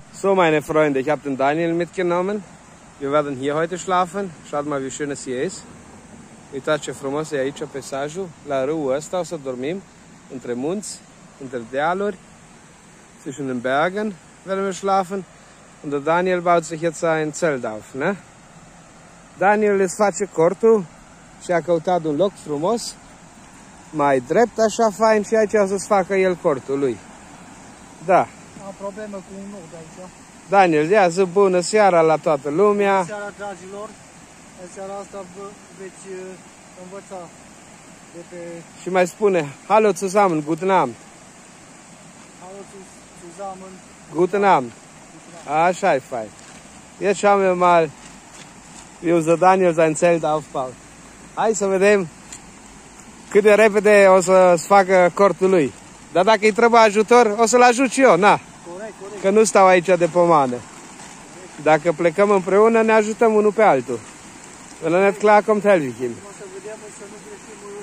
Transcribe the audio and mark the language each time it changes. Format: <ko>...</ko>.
<de>So, meine Freunde, ich habe den Daniel mitgenommen. Wir werden hier heute schlafen. Schaut mal, wie schön es hier ist.</de> <ro>Uitați-vă frumos, e aici peisajul, la râul ăsta o să dormim, între munți, între dealuri,</ro> <de>zwischen den Bergen werden wir schlafen. Und der Daniel baut sich jetzt ein Zelt auf, ne?</de> <ro>Daniel îți face cortul și a căutat un loc frumos, mai drept, așa fain, și aici o să-ți facă el cortul lui. Da. Am probleme cu un nod aici. Daniel, ia zi bună seara la toată lumea. Bună seara, dragilor. În seara asta veți învăța de pe... Și mai spune,</ro> <de>hallo zusammen, guten Abend. Hallo zusammen. Guten Abend.</de> <ro>Așa e fain.</ro> <de>Ia schauen wir mal, wie unser Daniel sein Zelt aufbaut.</de> <ro>Hai să vedem cât de repede o să-ți facă cortul lui. Dar dacă îi trebuie ajutor, o să-l ajut și eu, na. Corect. Că nu stau aici de pomană. Dacă plecăm împreună, ne ajutăm unul pe altul. Vă lănet clar cum te-l vichim. Mă să vedem, să nu greșim...</ro>